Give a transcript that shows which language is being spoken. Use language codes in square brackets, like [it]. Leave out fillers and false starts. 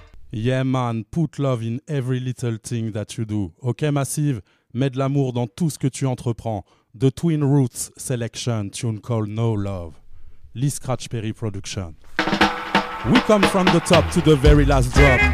[en] Yeah man, put love in every little thing that you do. [fr] Ok Massive, mets de l'amour dans tout ce que tu entreprends. [en] The Twin Roots Selection, tune called No Love. Lee Scratch Perry Production. We come from the top to the very last drop.